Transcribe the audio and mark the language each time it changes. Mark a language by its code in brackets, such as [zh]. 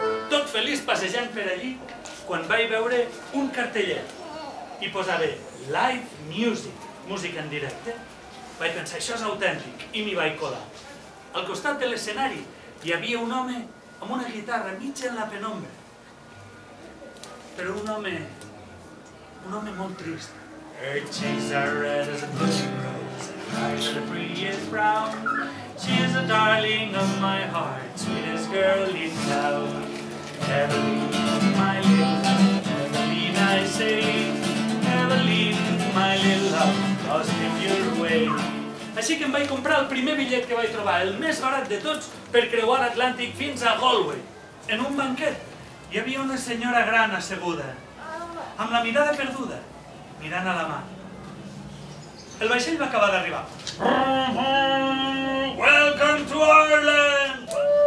[ca] Tot feliç passejant per allí, quan vaig veure un cartellet i posava live music, música en directe, vaig pensar, això és autèntic, i m'hi vaig colar. Al costat de l'escenari hi havia un home amb una guitarra mitja en la penombra. Però un home molt trist. [en] Her cheeks are red as a bush rose, her eyes are pretty as brown. She is a darling of my heart, sweetest girl in town. Evelyn, my little love, Evelyn, I say, Evelyn, my little love, lost in your way. [ca] Així que em vaig comprar el primer bitllet que vaig trobar, el més barat de tots, per creuar l'Atlàntic fins a Galway. En un banquet hi havia una senyora gran asseguda, amb la mirada perduda, mirant a la mà. El vaixell va acabar d'arribar. [en] Welcome to Ireland!